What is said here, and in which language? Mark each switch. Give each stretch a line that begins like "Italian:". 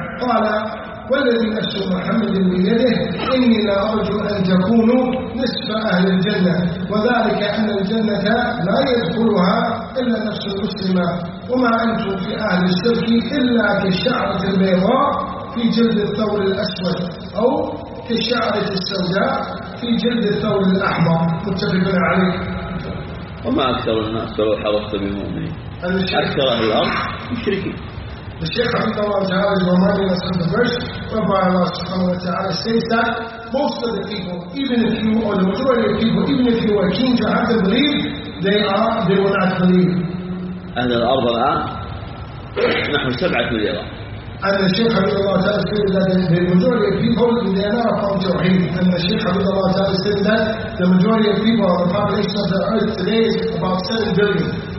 Arabic: قال: والذي نفس محمد بيده إني لأرجو أن تكونوا نصف أهل الجنة، وذلك أن الجنة لا يدخلها إلا نفس المسلمة، وما أنتم في أهل الشرك إلا كشعرة البيضاء في جلد الثور الأسود أو كشعرة السوداء في جلد الثور الأحمر. متفق عليه. وما أكثر الناس ولو حرصت بمؤمنين. أكثر أهل الأرض مشركين.
English: The Shaykh
Arabic: رحمه الله تعالى
English: is reminding us of the verse whereby Allah
Arabic: subhanahu wa ta'ala
English: says that most of the people, even if you or the majority of people, even if you are keen to have them believe, they will not believe.
Arabic: أهل الأرض الآن نحن 7 مليارات.
English: And the Shaykh
Arabic: رحمه الله تعالى
English: said that the majority of people, they are not upon Tawheed. And the Shaykh
Arabic: رحمه الله تعالى
English: said that the majority of people, the population of the earth today is about 7 billion.